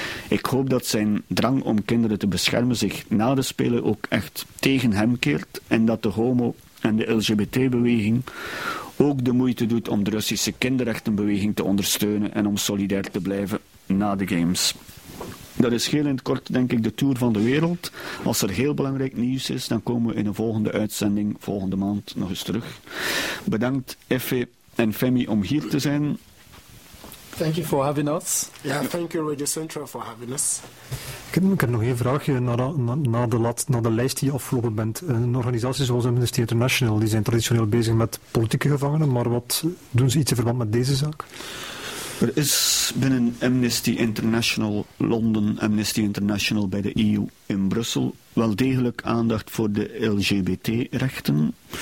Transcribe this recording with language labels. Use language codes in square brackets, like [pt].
[nl] Ik hoop dat zijn drang om kinderen te beschermen zich na de Spelen ook echt tegen hem keert en dat de homo- en de LGBT-beweging ook de moeite doet om de Russische kinderrechtenbeweging te ondersteunen en om solidair te blijven na de Games. Dat is heel in het kort, denk ik, de tour van de wereld. Als er heel belangrijk nieuws is, dan komen we in een volgende uitzending volgende maand nog eens terug. Bedankt, Effe en Femi, om hier te zijn. [en] Thank you for having us. Yeah, thank you, Radio Central, for having us. [nl] Ik heb nog één vraagje naar de lijst die je afgelopen bent. Een organisatie zoals Amnesty International, die zijn traditioneel bezig met politieke gevangenen, maar wat doen ze iets in verband met deze zaak? Er is binnen Amnesty International Londen, Amnesty International bij de EU in Brussel, wel degelijk aandacht voor de LGBT-rechten.